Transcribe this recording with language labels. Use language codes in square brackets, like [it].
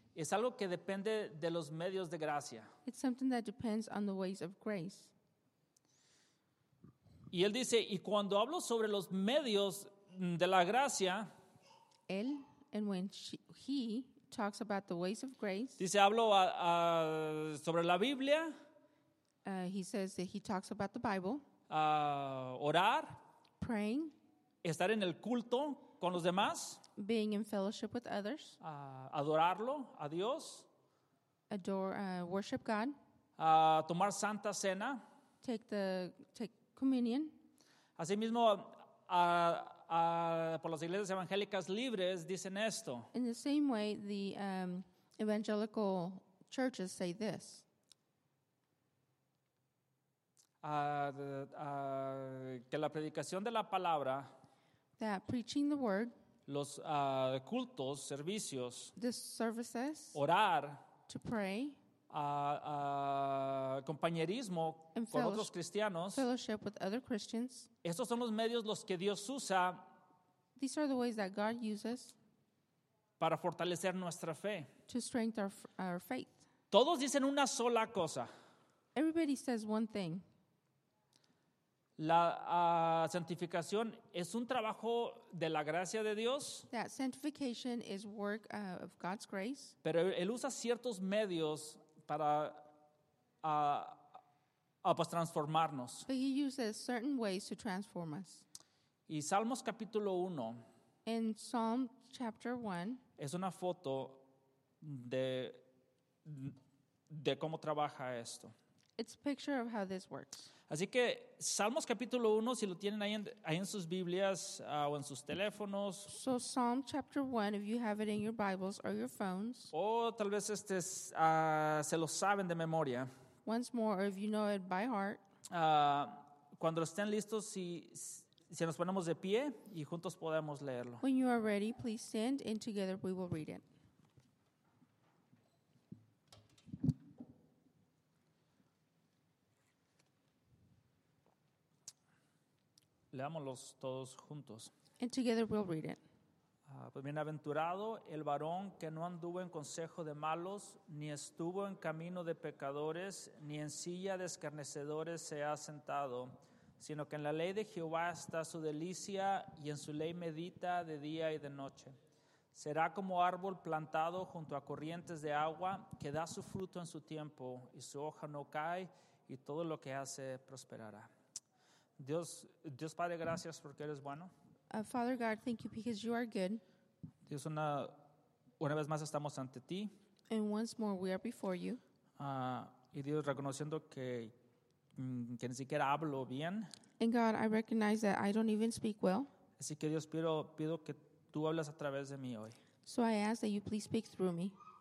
[es] Es algo que depende de los medios de gracia. [en] It's something that depends on the ways of grace. [es] Y él dice, y cuando hablo sobre los medios de la gracia, [en] él, and when she, he talks about the ways of grace, [es] dice, hablo sobre la Biblia, [en] he says that he talks about the Bible, [es] orar, [en] praying, [es] estar en el culto con los demás, [en] being in fellowship with others, [es] adorarlo a Dios, [en] worship God, [es] tomar santa cena, [en] take communion. [es] Asimismo, por las iglesias evangélicas libres dicen esto. [en] In the same way, the evangelical churches say this. [es] Que la predicación de la palabra, [en] that preaching the word, [es] los cultos, servicios, [en] the services, [es] orar, [en] to pray, [es] compañerismo con otros cristianos, [en] fellowship with other Christians. [es] Estos son los medios los que Dios usa. [en] These are the ways that God uses [es] para fortalecer nuestra fe. [en] To strengthen our faith. [es] Todos dicen una sola cosa. [en] Everybody says one thing. [es] La santificación es un trabajo de la gracia de Dios. [en] That sanctification is work of God's grace. [es] Pero él usa ciertos medios para pues transformarnos. [en] But he uses certain ways to transform us. [es] Y Salmos capítulo 1. [en] In Psalm chapter 1. [es] Es una foto de cómo trabaja esto. [en] It's a picture of how this works. [es] Así que Salmos capítulo 1, si lo tienen ahí en sus Biblias o en sus teléfonos. [en] So Psalm chapter 1, if you have it in your Bibles or your phones. [es] O tal vez se lo saben de memoria. [en] Once more, or if you know it by heart. [es] Cuando estén listos, si nos ponemos de pie y juntos podemos leerlo. [en] When you are ready, please stand and together we will read it. [es] Leámoslos todos juntos. [en] And together we'll read it. [es] Pues bienaventurado el varón que no anduvo en consejo de malos, ni estuvo en camino de pecadores, ni en silla de escarnecedores se ha sentado, sino que en la ley de Jehová está su delicia y en su ley medita de día y de noche. Será como árbol plantado junto a corrientes de agua, que da su fruto en su tiempo y su hoja no cae y todo lo que hace prosperará. Dios Padre, gracias porque eres bueno. [en] Father God, thank you because you are good. [es] Dios, una vez más estamos ante ti. [en] And once more we are before you. [es] Y Dios, reconociendo que ni siquiera hablo bien. [en] And God, I recognize that I don't even speak well. [es] Así que Dios, pido que tú hables a través de mí hoy. [en] So I ask that you please speak through me.